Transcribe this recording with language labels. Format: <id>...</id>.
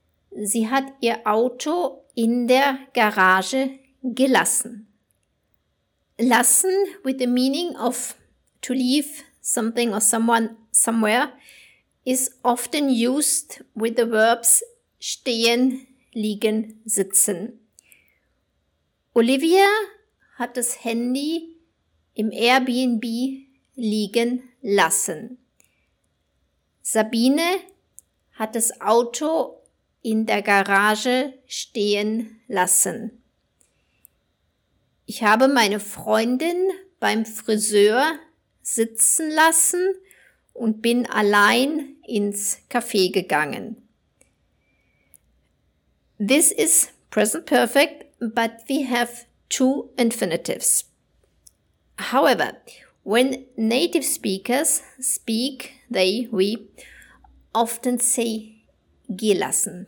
<de>Sie hat ihr Auto in der Garage gelassen.</de> <en>Lassen, with the meaning of to leave something or someone somewhere, is often used with the verbs stehen, liegen, sitzen.</en> <de>Olivia hat das Handy im Airbnb liegen lassen. Sabine hat das Auto in der Garage stehen lassen. Ich habe meine Freundin beim Friseur sitzen lassen und bin allein ins Café gegangen.</de> <en>This is present perfect, but we have two infinitives. However, when native speakers speak, we often say gelassen.</en>